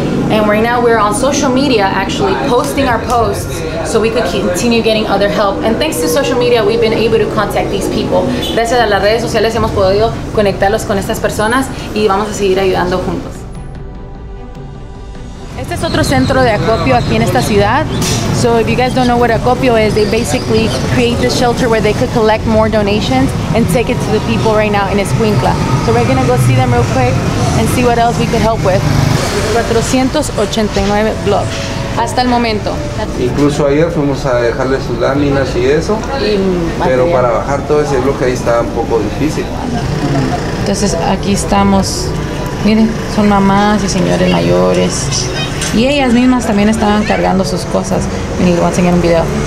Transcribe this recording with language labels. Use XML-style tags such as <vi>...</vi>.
<en>And right now we're on social media actually posting our posts so we could continue getting other help. And thanks to social media we've been able to contact these people.</en> <es>Gracias a las redes sociales hemos podido conectarlos con estas personas y vamos a seguir ayudando juntos. Este es otro centro de acopio aquí en esta ciudad.</es> <en>So if you guys don't know what acopio is, they basically create this shelter where they could collect more donations and take it to the people right now in Escuincla. So we're gonna go see them real quick and see what else we could help with.</en> <es>489 blogs hasta el momento. Incluso ayer fuimos a dejarle sus láminas y eso, pero para bajar todo ese bloque ahí está un poco difícil. Entonces aquí estamos, miren, son mamás y señores mayores y ellas mismas también estaban cargando sus cosas. Miren, les voy a enseñar un video.</es>